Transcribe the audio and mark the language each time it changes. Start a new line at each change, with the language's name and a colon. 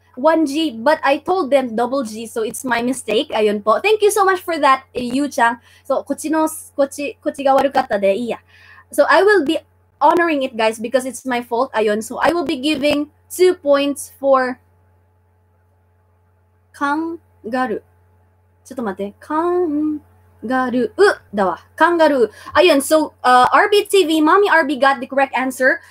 English: 1G, but I told them double G, so it's my mistake.
Filipino: Ayun po.
English: Thank you so much for that, Yu-chan.
Japanese: So, こっちが悪かったでいいや。
English: So, I will be honoring it, guys, because it's my fault. Ayun. So, I will be giving 2 points for kangaroo. Kangaroo. Ayun, so RBTV, Mommy RB got the correct answer.